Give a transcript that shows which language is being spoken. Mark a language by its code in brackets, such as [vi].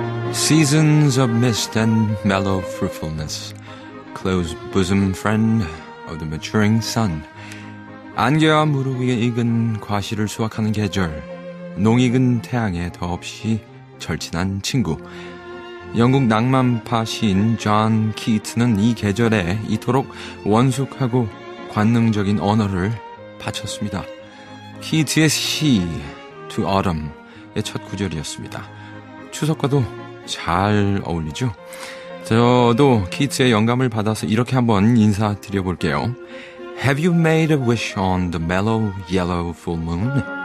[en] Seasons of mist and mellow fruitfulness, close bosom friend of the maturing sun. [ko] 안개와 무릎 위에 익은 과실을 수확하는 계절, 농익은 태양에 더없이 절친한 친구. 영국 낭만파 시인 존 키트는 이 계절에 이토록 원숙하고 관능적인 언어를 바쳤습니다. 키트의 시 To Autumn의 첫 구절이었습니다. 추석과도 잘 어울리죠? 저도 키트의 영감을 받아서 이렇게 한번 인사드려볼게요. [en] Have you made a wish on the mellow yellow full moon?